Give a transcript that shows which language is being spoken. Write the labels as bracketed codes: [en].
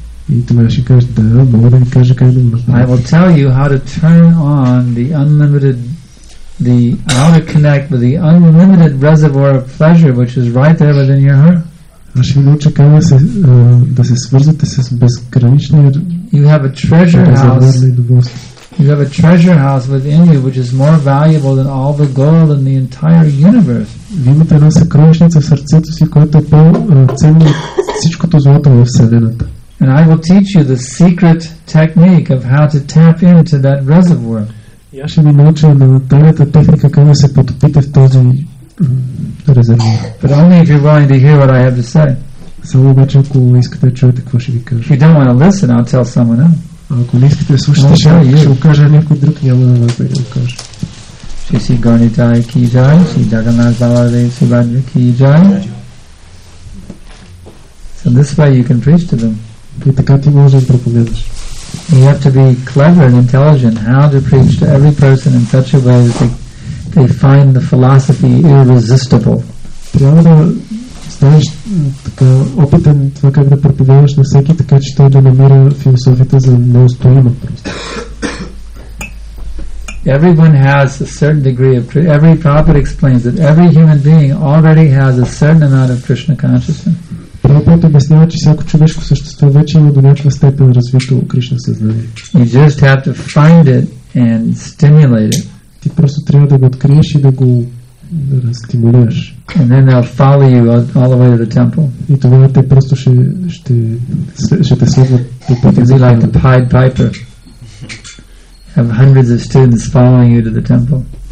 [bg] И тогава ще кажеш, да, мога да ви кажа как да го направя. [en] I will tell you how to turn on the unlimited, how to connect with the unlimited reservoir of pleasure, which is right there within your heart. [bg] Аз ще ви науча как да се свързвате с безграничния. [en] You have a treasure house. You have a treasure house within you, which is more valuable than all the gold in the entire universe. [bg] Вие имате една съкровищница в сърцето си, която е по-ценна от всичкото злато във Вселената. [en] And I will teach you the secret technique of how to tap into that reservoir. [bg] Я ще ви науча на тайната техника как да се потопите в този резервуар. [en] But only if you're willing to hear what I have to say. [bg] Само обаче, ако искате да чуете какво ще ви кажа. [en] If you don't want to listen, I'll tell someone else. [bg] А ако не искате да слушате, ще го кажа някой друг, няма да ви го кажа. Ши си гонитай ки джай, ши джаганат баладей субаджа ки джай. [en] So this way you can preach to them. [bg] И така ти можеш да проповядаш. [en] You have to be clever and intelligent how to preach to every person in such a way that they find the philosophy irresistible. [bg] Трябва да станеш така опитен това как да проповядаш на всеки, така че той да намира философията за неустоима просто. [en] Everyone has a certain degree of Krishna. Every Prabhupada explains that every human being already has a certain amount of Krishna consciousness. [bg] Прабхупада обяснява, че всяко човешко същество вече има до някаква степен развито Кришна съзнание. Ти просто трябва да го откриеш и да го разстимулираш. [en] And then they'll follow you all the way to the temple. [bg] И тогава те просто ще те следват до пътя. [en] It'll be like the Pied Piper. Have hundreds of students following you to the temple.